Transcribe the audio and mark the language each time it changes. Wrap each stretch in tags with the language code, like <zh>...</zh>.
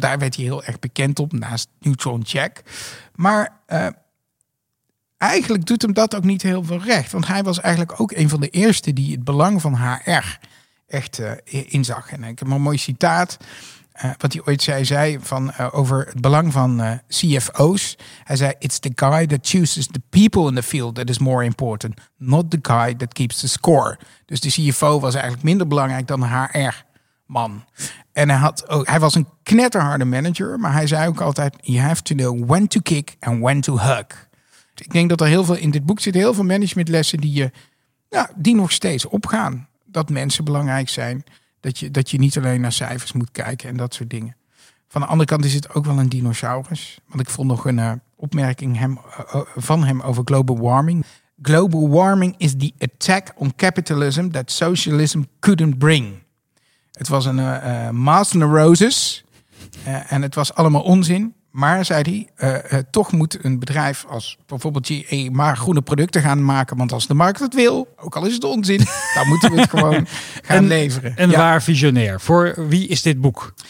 <nl>Daar werd hij heel erg bekend op, naast Neutron Jack. Maar eigenlijk doet hem dat ook niet heel veel recht. Want hij was eigenlijk ook een van de eerste die het belang van HR echt inzag. En ik heb een mooi citaat. Wat hij ooit zei van over het belang van CFO's. Hij zei,</nl> <en>it's the guy that chooses the people in the field that is more important. Not the guy that keeps the score.</en> <nl>Dus de CFO was eigenlijk minder belangrijk dan de HR-man. En hij was een knetterharde manager. Maar hij zei ook altijd,</nl> <en>you have to know when to kick and when to hug.</en> <nl>Ik denk dat er heel veel in dit boek zit. Heel veel managementlessen die nog steeds opgaan. Dat mensen belangrijk zijn. Dat je niet alleen naar cijfers moet kijken en dat soort dingen. Van de andere kant is het ook wel een dinosaurus. Want ik vond nog een opmerking van hem over global warming.</nl> <en>Global warming is the attack on capitalism that socialism couldn't bring.</en> <nl>Het was een mass neurosis. En het was allemaal onzin. Maar, zei hij, toch moet een bedrijf als bijvoorbeeld GE maar groene producten gaan maken. Want als de markt het wil, ook al is het onzin, dan moeten we het gewoon gaan leveren. En ja. Waar visionair? Voor wie is dit boek?</nl>